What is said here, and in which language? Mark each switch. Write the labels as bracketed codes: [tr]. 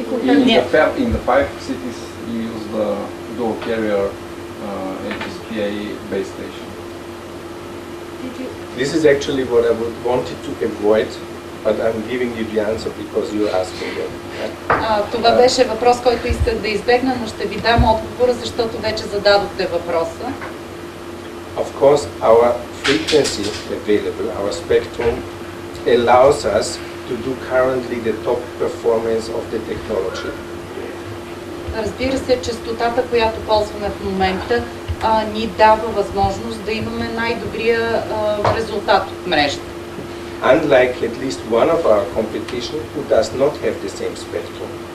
[en] In the five cities you use the Dual Carrier HSPA base station. This is actually what I wanted to avoid. But I'm giving you the answer because you're asking them. [bg] Това беше въпрос, който исках да избегна, но ще ви дам отговора, защото вече зададохте въпроса. [en] Of course, our frequency available, our spectrum, allows us to do currently the top performance of the technology. [bg] Разбира се, честотата, която ползваме в момента, ни дава възможност да имаме най-добрия резултат от мрежата. [en] unlike at least one of our competition who does not have the same spectrum.